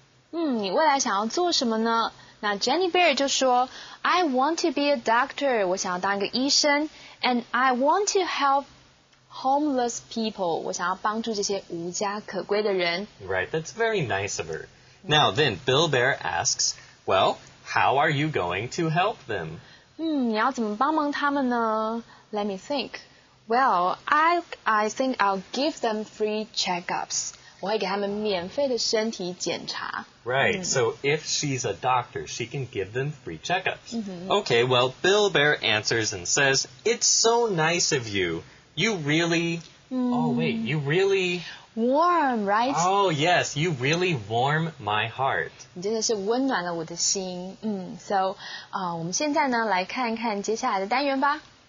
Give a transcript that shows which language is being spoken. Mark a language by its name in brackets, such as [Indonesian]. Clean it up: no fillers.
[Chinese] 你未来想要做什么呢？那 Jenny Bear 就说 [English] I want to be a doctor, [Chinese] 我想要当一个医生 [English] and I want to help homeless people, [Chinese] 我想要帮助这些无家可归的人。 [English] Right, that's very nice of her. Now then, Bill Bear asks, well, how are you going to help them? [Chinese] 你要怎么帮忙他们呢？ [English] Let me think. Well, I think I'll give them free checkups. [Chinese] 我会给他们免费的身体检查。 [English] Right, so if she's a doctor, she can give them free checkups. Okay, well, Bill Bear answers and says, it's so nice of you. You really... Oh, wait, you really... Warm, right? Oh, yes. You really warm my heart. [Chinese] 你真的是温暖了我的心。So, 我们现在呢来看看接下来的单元吧。